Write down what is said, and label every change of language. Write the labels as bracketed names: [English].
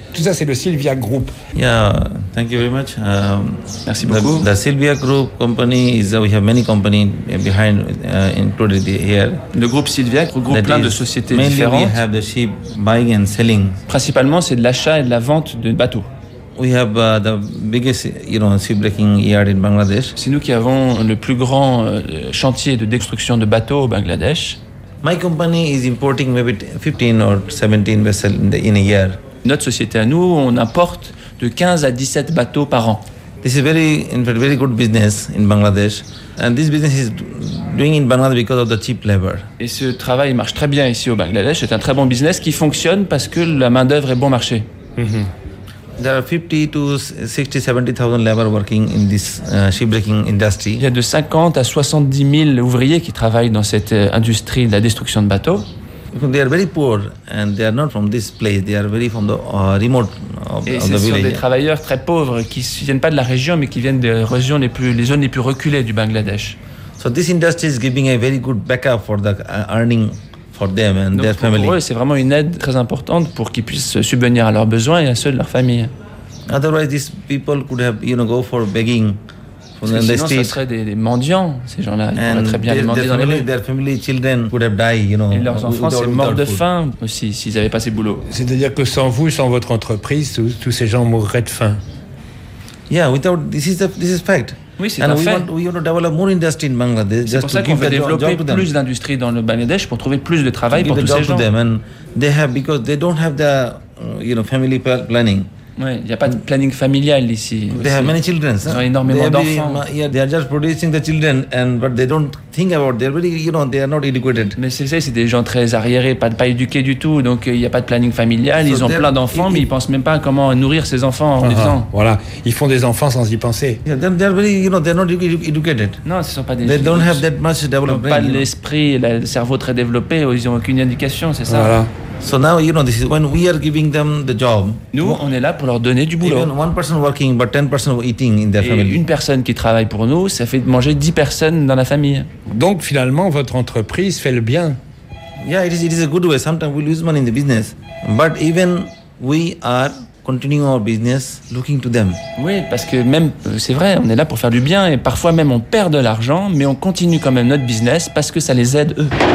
[French] Tout ça, c'est le Sylvia Group. [English] Yeah, thank you very much. [French] Merci beaucoup. [English] The Sylvia Group company is, we have many companies behind, included here. [French] Le groupe Sylvia regroupe plein de sociétés [English] mainly [French] différentes. [English] We have the ship buying and selling. [French] Principalement, c'est de l'achat et de la vente de bateaux. [English] We have the biggest, you know, sea breaking yard in Bangladesh. [French] C'est nous qui avons le plus grand chantier de destruction de bateaux au Bangladesh. [English] My company is importing maybe 15 or 17 vessels in a year. [French] Notre société à nous, on importe de 15 à 17 bateaux par an. [English] This is very, in fact, very good business in Bangladesh, and this business is doing in Bangladesh because of the cheap labor. [French] Et ce travail marche très bien ici au Bangladesh. C'est un très bon business qui fonctionne parce que la main d'œuvre est bon marché. Mm-hmm. [English] There are 50 to 60, 70 thousand labor working in this shipbreaking industry. [French] Il y a de 50 à 70 000 ouvriers qui travaillent dans cette industrie de la destruction de bateaux. [English] They are very poor and they are not from this place. They are very from the remote of the village. [French] Et ce sont des travailleurs très pauvres qui ne viennent pas de la région, mais qui viennent des régions les zones les plus reculées du Bangladesh. [English] So this industry is giving a very good backup for the earning for them and [French] Donc [English] their family. [French] Donc pour eux, c'est vraiment une aide très importante pour qu'ils puissent subvenir à leurs besoins et à ceux de leur famille. [English] Otherwise, these people could have, you know, go for begging. [French] Parce que sinon, ce seraient des mendiants, ces gens-là. Ils pourraient très bien les mendier dans les rues. [English] Their family, children could have died, you know, [French] et leurs enfants seraient morts de faim aussi s'ils n'avaient pas ces boulots. C'est-à-dire que sans vous, sans votre entreprise, tous ces gens mourraient de faim. [English] Yeah, without this is fact. [French] Oui, c'est [English] And [French] un [English] we [French] fait. [English] Want, we want to develop more industry in Bangladesh. [French] C'est pour ça qu'on veut développer plus d'industries dans le Bangladesh pour trouver plus de travail pour tous ces gens. [English] Them. And they have because they don't have the, you know, family planning. [French] Ouais, il n'y a pas de planning familial ici. [English] They have many children. [French] Ils ont énormément d'enfants. [English] Yeah, they are just producing the children, and but they don't think about. They're really, you know, they are not educated. [French] Mais c'est des gens très arriérés, pas éduqués du tout. Donc il n'y a pas de planning familial. Ils ont plein d'enfants, mais ils pensent même pas à comment nourrir ces enfants en vivant. Voilà, ils font des enfants sans y penser. [English] Yeah, they're really, you know, they're not educated. [French] Non, ce sont pas des. [English] They don't have that much development. [French] Pas l'esprit, le cerveau très développé. Ils ont aucune éducation, c'est ça. Voilà. [English] So now, you know, this is when we are giving them the job. [French] Nous, on est là pour leur donner du boulot. [English] Even one person working, but 10 persons eating in their [French] Et [English] family. [French] Une personne qui travaille pour nous, ça fait manger 10 personnes dans la famille. Donc finalement, votre entreprise fait le bien. [English] Yeah, it is a good way. Sometimes we lose money in the business, but even we are continuing our business looking to them. [French] Oui, parce que même, c'est vrai, on est là pour faire du bien et parfois même on perd de l'argent, mais on continue quand même notre business parce que ça les aide eux.